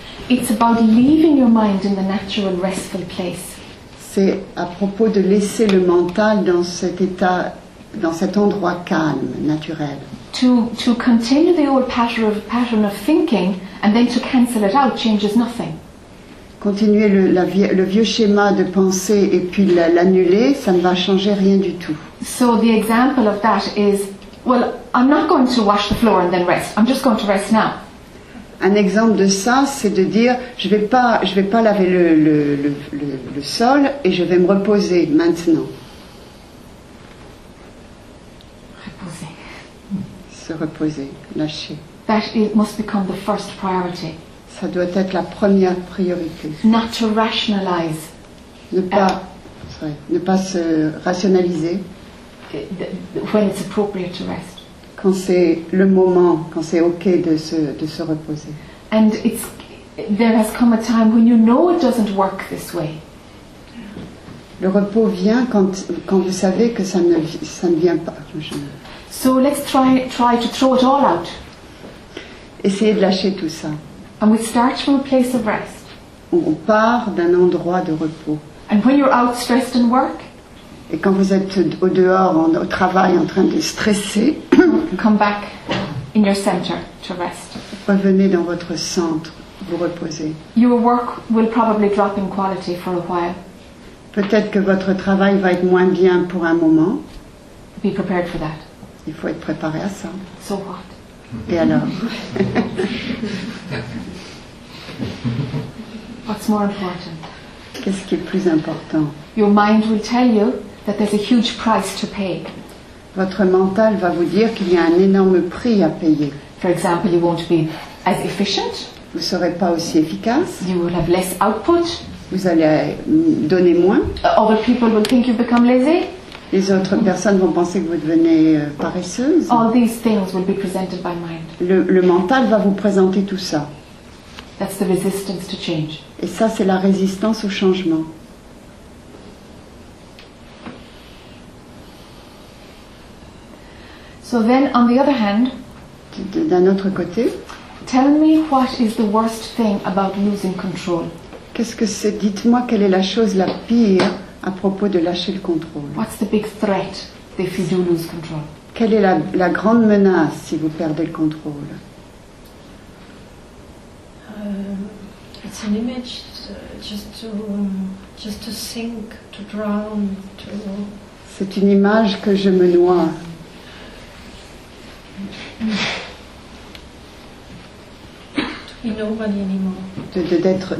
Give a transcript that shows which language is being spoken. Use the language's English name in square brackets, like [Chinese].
[English] it's about leaving your mind in the natural restful place. [French] C'est à propos de laisser le mental dans cet état, dans cet endroit calme, naturel. [English] To continue the old pattern of thinking and then to cancel it out changes nothing. [French] Continuer le vieux schéma de pensée et puis l'annuler, ça ne va changer rien du tout. [English] So the example of that is, well, I'm not going to wash the floor and then rest. I'm just going to rest now. [French] Un exemple de ça, c'est de dire, je vais pas laver le sol et je vais me reposer maintenant. Reposer. Se reposer, lâcher. [English] That it must become the first priority. [French] Ça doit être la première priorité. [English] Not to rationalize. [French] Ne pas se rationaliser. [English] When it's appropriate to rest. [French] Quand c'est le moment, quand c'est ok de se reposer. [English] And it's there has come a time when you know it doesn't work this way. [French] Le repos vient quand vous savez que ça ne vient pas. [English] So let's try to throw it all out. [French] Essayez de lâcher tout ça. [English] And we start from a place of rest. [French] On part d'un endroit de repos. [English] And when you're out stressed in work. [French] Et quand vous êtes au dehors, au travail, en train de stresser. [English] Come back in your center to rest. [French] Revenez dans votre centre, vous reposez. [English] Your work will probably drop in quality for a while. [French] Peut-être que votre travail va être moins bien pour un moment. [English] Be prepared for that. [French] Il faut être préparé à ça. [English] So what? [French] Et alors? [English] What's more important? [French] Qu'est-ce qui est plus important? [English] Your mind will tell you that there's a huge price to pay. [French] Votre mental va vous dire qu'il y a un énorme prix à payer. [English] For example, you won't be as efficient. [French] Vous ne serez pas aussi efficace. [English] You will have less output. [French] Vous allez donner moins. [English] Other people will think you've become lazy. [French] Les autres personnes vont penser que vous devenez paresseuse. [English] All these things will be presented by mind. [French] Le mental va vous présenter tout ça. [English] That's the resistance to change. [French] Et ça, c'est la résistance au changement. [English] So then, on the other hand, [French] d'un autre côté, [English] tell me what is the worst thing about losing control. [French] Qu'est-ce que c'est? Dites-moi quelle est la chose la pire à propos de lâcher le contrôle. [English] What's the big threat if you do lose control? [French] Quelle est la grande menace si vous perdez le contrôle? [English] It's an image, just to sink, to drown, to. [French] C'est une image que je me noie. [English] To be nobody anymore.